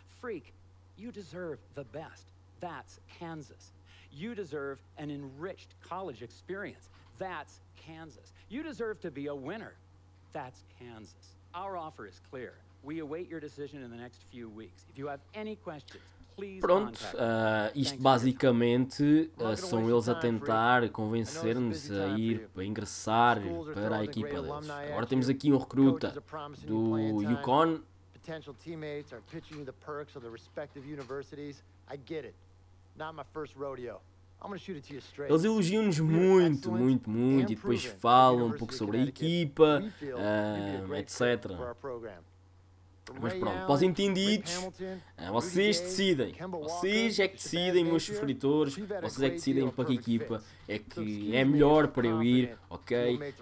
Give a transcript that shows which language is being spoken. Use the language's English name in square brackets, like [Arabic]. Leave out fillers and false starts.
[English] Freak, you deserve the best. That's Kansas. You deserve an enriched college experience. That's Kansas. You deserve to be a winner. That's Kansas. Our offer is clear. We await your decision in the next few weeks. If you have any questions, please contact us. [Portuguese] Isto basicamente são eles a tentar convencer-nos a ir para ingressar para a equipa deles. Agora temos aqui um recruta do UConn. [English] Potential teammates are pitching you the perks of the respective universities. I get it. Not my first rodeo. [Portuguese] Eles elogiam-nos muito, muito, muito, e depois falam um pouco sobre a equipa, etc. Mas pronto, para os entendidos, vocês decidem. Vocês é que decidem, meus subscritores, vocês é que decidem para que equipa é que é melhor para eu ir, ok?